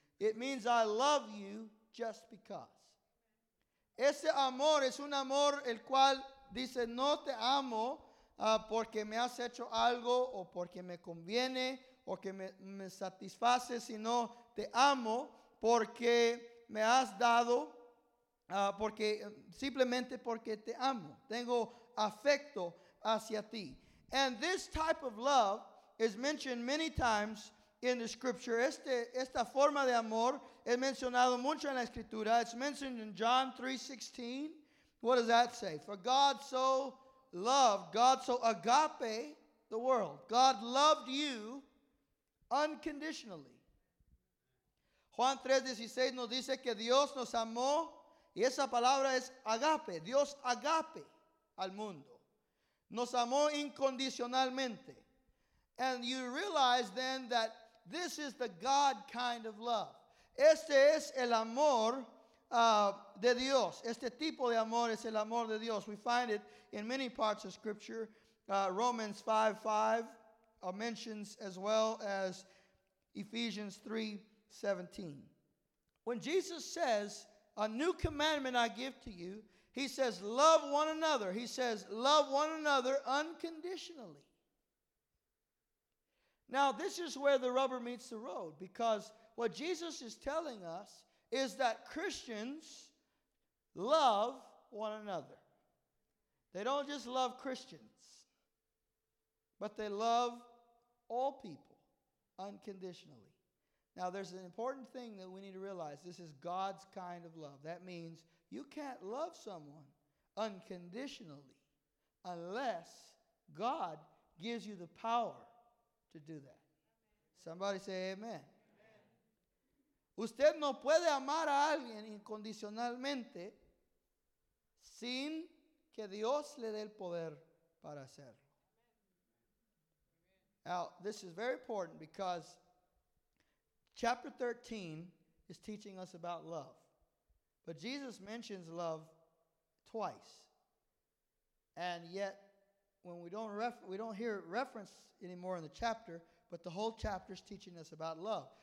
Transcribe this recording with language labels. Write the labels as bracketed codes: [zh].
[en] It means I love you just because. [es] Ese amor es un amor el cual dice, no te amo porque me has hecho algo, o porque me conviene, o que me satisface, sino te amo porque me has dado, porque simplemente porque te amo. Tengo afecto hacia ti. [en] And this type of love is mentioned many times in the scripture. [es] Esta forma de amor es mencionado mucho en la escritura. [en] It's mentioned in John 3:16. What does that say? For God so loved, God so agape the world. God loved you unconditionally. [es] Juan 3:16 nos dice que Dios nos amó, y esa palabra es agape. Dios agape al mundo. Nos amó incondicionalmente. [en] And you realize then that this is the God kind of love. [es] Este es el amor de Dios. Este tipo de amor es el amor de Dios. [en] We find it in many parts of Scripture. Romans 5:5 mentions, as well as Ephesians 3:17. When Jesus says, a new commandment I give to you, he says, love one another. He says, love one another unconditionally. Now, this is where the rubber meets the road, because what Jesus is telling us is that Christians love one another. They don't just love Christians, but they love all people unconditionally. Now, there's an important thing that we need to realize. This is God's kind of love. That means you can't love someone unconditionally unless God gives you the power to do that. Somebody say amen. Amen. [es] Usted no puede amar a alguien incondicionalmente sin que Dios le dé el poder para hacerlo. [en] Now, this is very important, because chapter 13 is teaching us about love. But Jesus mentions love twice. And yet, when we don't hear it referenced anymore in the chapter, but the whole chapter is teaching us about love.